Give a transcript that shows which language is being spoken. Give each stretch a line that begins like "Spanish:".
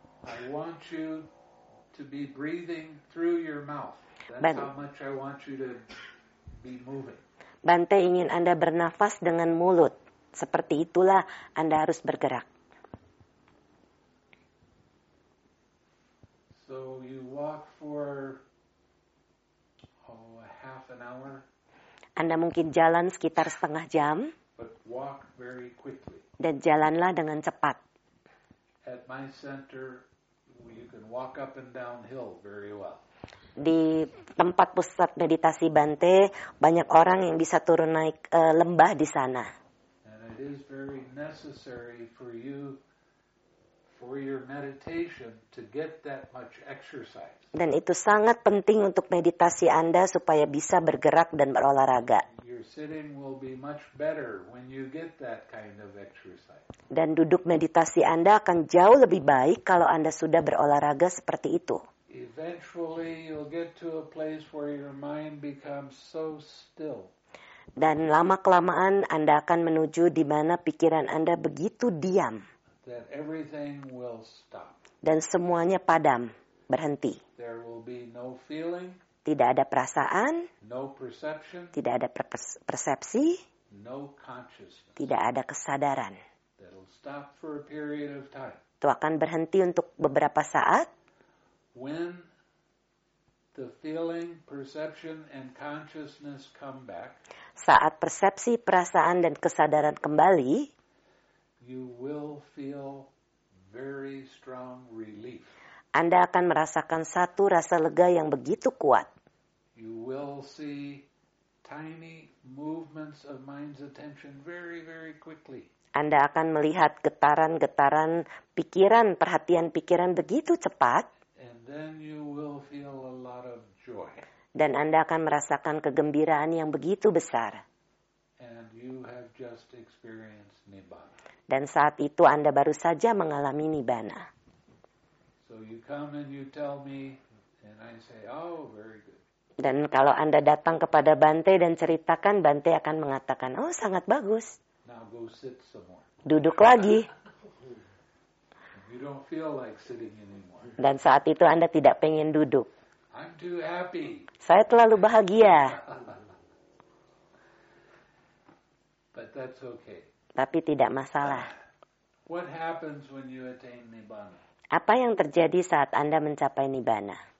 English: I want you to be breathing through your mouth. That's how much I want you to be moving.
Indonesian: Bante ingin Anda bernafas dengan mulut. Seperti itulah Anda harus bergerak.
English: So you walk for a half an hour.
Indonesian: Anda mungkin jalan sekitar setengah jam.
English: But walk very quickly.
Indonesian: Dan jalanlah dengan cepat.
English: At my center, you can walk up and down hill very well.
Indonesian: Di tempat pusat meditasi Bante, banyak orang yang bisa turun naik lembah di sana.
English: It is very necessary for you, for your meditation, to get that much exercise.
Indonesian: Dan itu sangat penting untuk meditasi Anda supaya bisa bergerak dan berolahraga.
English: Your sitting will be much better when you get that kind of exercise.
Indonesian: Dan duduk meditasi Anda akan jauh lebih baik kalau Anda sudah berolahraga seperti itu.
English: Eventually, you'll get to a place where your mind becomes so still.
Indonesian: Dan lama-kelamaan Anda akan menuju di mana pikiran Anda begitu diam.
English: That everything will stop.
Indonesian: Dan semuanya padam, berhenti.
English: There will be no feeling,
Indonesian: tidak ada perasaan,
English: no perception,
Indonesian: tidak ada persepsi,
English: no consciousness,
Indonesian: tidak ada kesadaran.
English: That'll stop for a period of time.
Indonesian: Itu akan berhenti untuk beberapa saat.
English: When the feeling, perception, and consciousness come back,
Indonesian: saat persepsi, perasaan, dan kesadaran kembali,
English: you will feel very strong relief.
Indonesian: Anda akan merasakan satu rasa lega yang begitu kuat.
English: You will see tiny movements of mind's attention very, very quickly.
Indonesian: Anda akan melihat getaran-getaran pikiran, perhatian pikiran begitu cepat.
English: And then you will feel a lot of joy.
Indonesian: Dan Anda akan merasakan kegembiraan yang begitu besar.
English: And you have just experienced Nibbana.
Indonesian: Dan saat itu Anda baru saja mengalami Nibbana.
English: So you come and you tell me, and I say, oh, very good.
Indonesian: Dan kalau Anda datang kepada Bante dan ceritakan, Bante akan mengatakan, oh, sangat bagus.
English: Now go sit some more.
Indonesian: Duduk lagi.
English: You don't feel like sitting anymore.
Indonesian: Dan saat itu Anda tidak pengen duduk.
English: I'm too happy.
Indonesian: Saya terlalu bahagia.
English: But that's okay.
Indonesian: Tapi tidak masalah.
English: What happens when you attain Nibbana?
Indonesian: Apa yang terjadi saat Anda mencapai Nibbana?